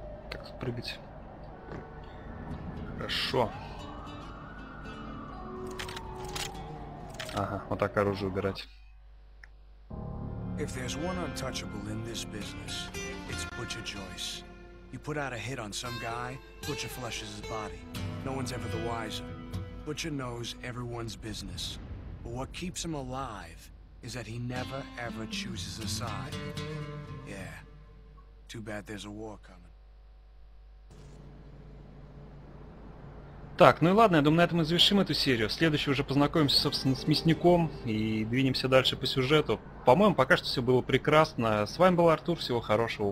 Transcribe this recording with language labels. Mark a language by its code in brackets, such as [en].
[ru] Как тут прыгать? Хорошо. Ага, вот так оружие убирать. [en] If there's one untouchable in this business, it's Butcher Joyce. You put out a hit on some guy, Butcher flushes his body. No one's ever the wiser. Butcher knows everyone's business. But what keeps him alive is that he never ever chooses a side. Yeah. Too bad there's a war coming. [ru] Так, ну и ладно, я думаю, на этом и завершим эту серию. В следующей уже познакомимся, собственно, с мясником и двинемся дальше по сюжету. По-моему, пока что все было прекрасно. С вами был Артур, всего хорошего.